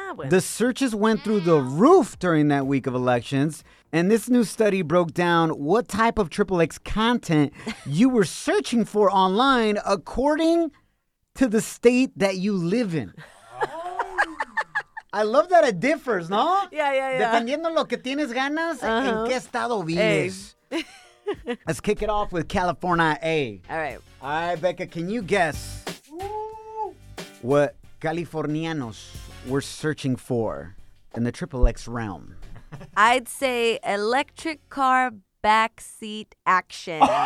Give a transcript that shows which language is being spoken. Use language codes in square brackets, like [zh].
[en] The searches went through the roof during that week of elections. And this new study broke down what type of XXX content you were searching for online according to the state that you live in. I love that it differs, no? Yeah. [es] Dependiendo lo que tienes ganas, en qué estado vives. [en] Hey. Let's kick it off with California A. All right, Becca, can you guess what Californianos were searching for in the XXX realm? I'd say electric car backseat action.